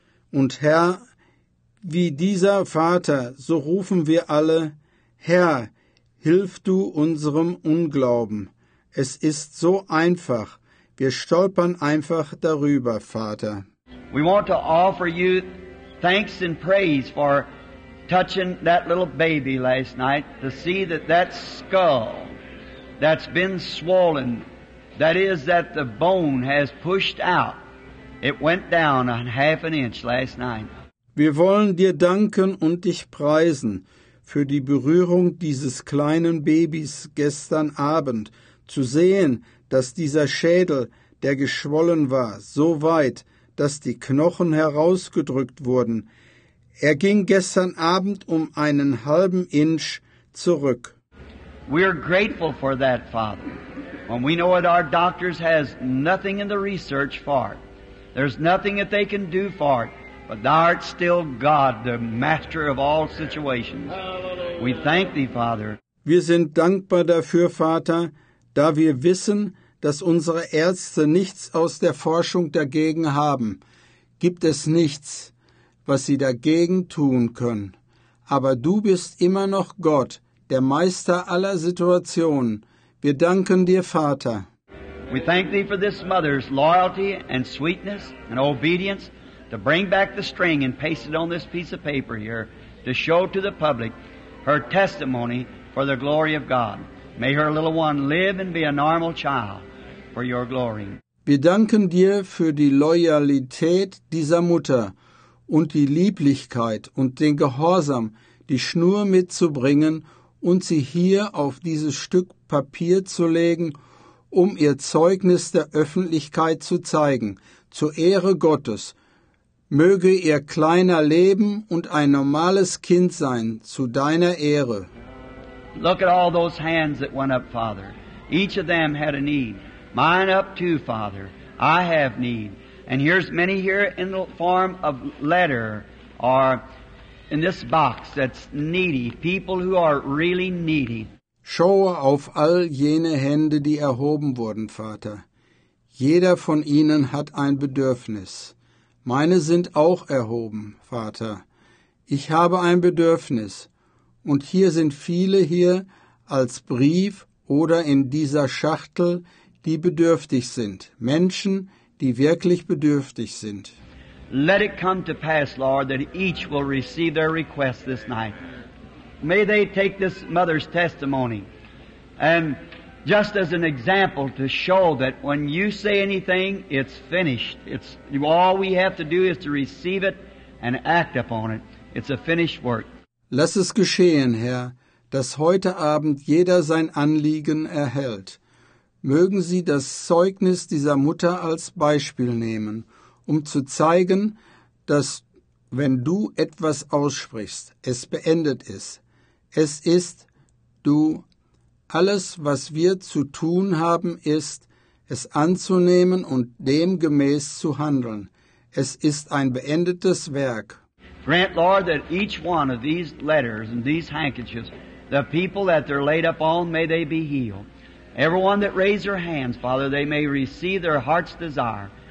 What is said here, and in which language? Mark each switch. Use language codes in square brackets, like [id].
[de] Und Herr, wie dieser Vater, so rufen wir alle, Herr, hilf du unserem Unglauben. Es ist so einfach. Wir stolpern einfach darüber, Vater. [en] We want to offer you thanks and praise for touching that little baby last night to see that that skull that's been swollen, that is that the bone has pushed out. It went down a half an inch last night. [de] Wir wollen dir danken und dich preisen für die Berührung dieses kleinen Babys gestern Abend, zu sehen, dass dieser Schädel, der geschwollen war, so weit, dass die Knochen herausgedrückt wurden. Er ging gestern Abend um einen halben Inch zurück. [en] We are grateful for that, Father. When we know that our doctors has nothing in the research for it. There's nothing that they can do for it. But thou art still God, the master of all situations. We thank thee, Father. [de] Wir sind dankbar dafür, Vater, da wir wissen, dass unsere Ärzte nichts aus der Forschung dagegen haben. Gibt es nichts, was sie dagegen tun können. Aber du bist immer noch Gott, der Meister aller Situationen. Wir danken dir, Vater. [en] We thank thee for this mother's loyalty and sweetness and obedience to bring back the string and paste it on this piece of paper here to show to the public her testimony for the glory of God. May her little one live and be a normal child for your glory. [de] Wir danken dir für die Loyalität dieser Mutter und die Lieblichkeit und den Gehorsam, die Schnur mitzubringen und sie hier auf dieses Stück Papier zu legen, um ihr Zeugnis der Öffentlichkeit zu zeigen, zur Ehre Gottes. Möge ihr kleiner leben und ein normales Kind sein, zu deiner Ehre. [en] Look at all those hands that went up, Father. Each of them had a need. Mine up too, Father. I have need. And here's many here in the form of letter or in this box that's needy. People who are really needy. [de] Schaue auf all jene Hände, die erhoben wurden, Vater. Jeder von ihnen hat ein Bedürfnis. Meine sind auch erhoben, Vater. Ich habe ein Bedürfnis. Und hier sind viele hier als Brief oder in dieser Schachtel, die bedürftig sind. Menschen, die wirklich bedürftig sind. [en] Let it come to pass, Lord, that each will receive their request this night. May they take this mother's testimony. And just as an example to show that when you say anything, it's finished. It's all we have to do is to receive it and act upon it. It's a finished work. [de] Lass es geschehen, Herr, dass heute Abend jeder sein Anliegen erhält. Mögen Sie das Zeugnis dieser Mutter als Beispiel nehmen, um zu zeigen, dass wenn du etwas aussprichst, es beendet ist. Es ist du. Alles, was wir zu tun haben, ist, es anzunehmen und demgemäß zu handeln. Es ist ein beendetes Werk. [en] Grant, Lord, that each one of these letters and these handkerchiefs, the people that they're laid up on, may they be healed. Everyone that raised their hands, Father, they may receive their heart's desire.